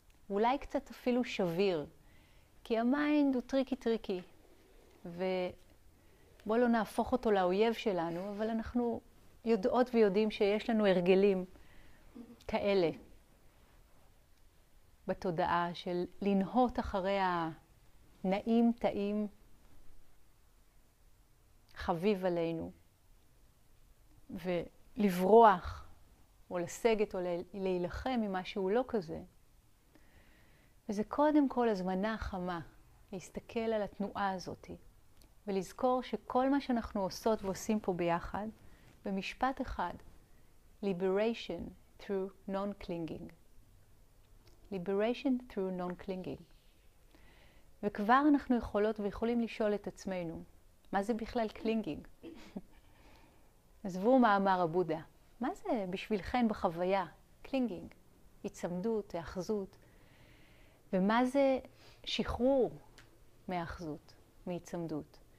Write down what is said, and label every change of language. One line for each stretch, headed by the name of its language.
Hebrew: אולי קצת אפילו שביר, כי המיינד הוא טריקי טריקי, ובוא לא נהפוך אותו לאויב שלנו, אבל אנחנו יודעות ויודעים שיש לנו הרגלים כאלה בתודעה של לנהות אחרי הנעים, טעים, חביב עלינו, ולברוח או לסגת או להילחם עם משהו לא כזה. וזה קודם כל הזמנה החמה להסתכל על התנועה הזאת ולזכור שכל מה שאנחנו עושות ועושים פה ביחד במשפט אחד,
English: liberation through non-clinging. Liberation through non-clinging.
Hebrew: וכבר אנחנו יכולות ויכולים לשאול את עצמנו, מה זה בכלל clinging? עזבו מה אמר הבודה. מה זה בשבילכן בחוויה? clinging, הצמדות, האחזות. ומה זה שחרור מאחזות, מהצמדות?